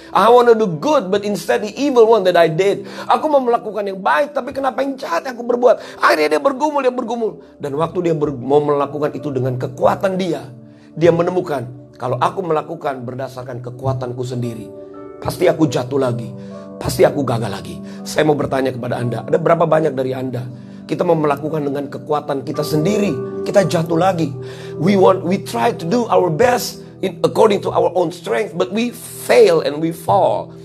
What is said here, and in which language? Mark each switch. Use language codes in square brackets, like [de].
[en] I want to do good, but instead the evil one that I did. [id] Aku mau melakukan yang baik, tapi kenapa yang jahat yang aku berbuat? Akhirnya dia bergumul. Dan waktu dia mau melakukan itu dengan kekuatan dia, dia menemukan, kalau aku melakukan berdasarkan kekuatanku sendiri, pasti aku jatuh lagi. Pasti aku gagal lagi. Saya mau bertanya kepada Anda, ada berapa banyak dari Anda kita mau melakukan dengan kekuatan kita sendiri, kita jatuh lagi. [en] We try to do our best in according to our own strength, but we fail and we fall.